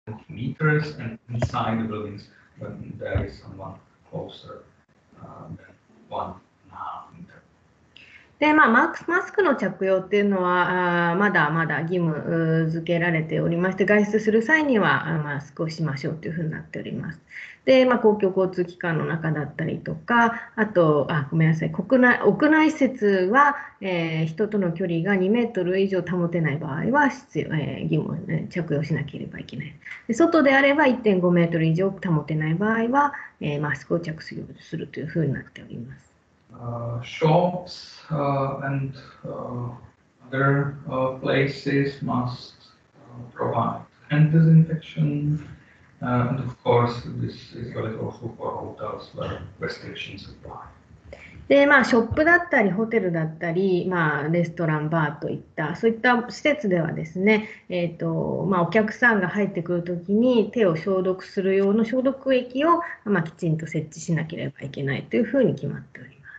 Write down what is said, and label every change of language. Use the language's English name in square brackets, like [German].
[English] meters and inside the buildings, but there is someone closer than 1.5 meter. [Japanese] で、まあ、マスクの着用っていうのは、まだまだ義務付けられておりまして、外出する際にはマスクをしましょうというふうになっております。で、まあ、公共交通機関の中だったりとか、あと、ごめんなさい、屋内施設は、人との距離が2メートル以上保てない場合は必要、義務、ね、着用しなければいけない。で、外であれば 1.5 メートル以上保てない場合は、マスクを着用するというふうになっております。 [English] Shops and other places must provide hand disinfection, and of course, this is valid for hotels where restrictions apply. [Japanese] で、まあ、ショップだったりホテルだったり、まあ、レストラン、バーといったそういった施設ではですね、まあ、お客さんが入ってくるときに手を消毒する用の消毒液を、まあ、きちんと設置しなければいけないというふうに決まっております。